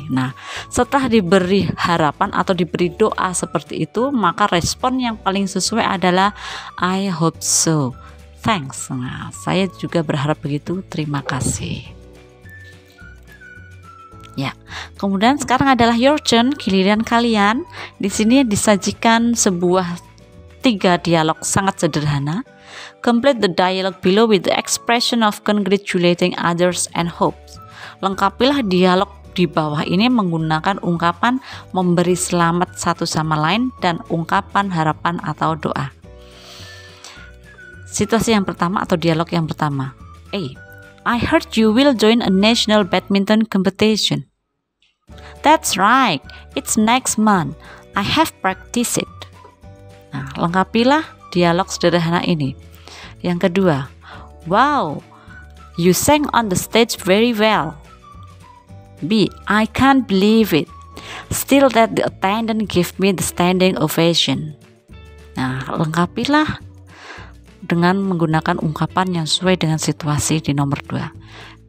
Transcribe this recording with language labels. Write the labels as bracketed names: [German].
[Indonesian] Nah, setelah diberi harapan atau diberi doa seperti itu, maka respon yang paling sesuai adalah [English] I hope so. Thanks. [Indonesian] Nah, saya juga berharap begitu. Terima kasih. Ya, kemudian sekarang adalah [English] your turn, [Indonesian] giliran kalian. Di sini disajikan sebuah tiga dialog sangat sederhana. [English] Complete the dialogue below with the expression of congratulating others and hopes. [Indonesian] Lengkapilah dialog di bawah ini menggunakan ungkapan memberi selamat satu sama lain dan ungkapan harapan atau doa. Situasi yang pertama atau dialog yang pertama. A. [English] I heard you will join a national badminton competition. That's right, it's next month. I have practiced it. [Indonesian] Nah, lengkapilah dialog sederhana ini. Yang kedua, [English] wow, you sang on the stage very well. B, I can't believe it. Still that the attendant gave me the standing ovation. [Indonesian] Nah, lengkapilah dengan menggunakan ungkapan yang sesuai dengan situasi di nomor 2.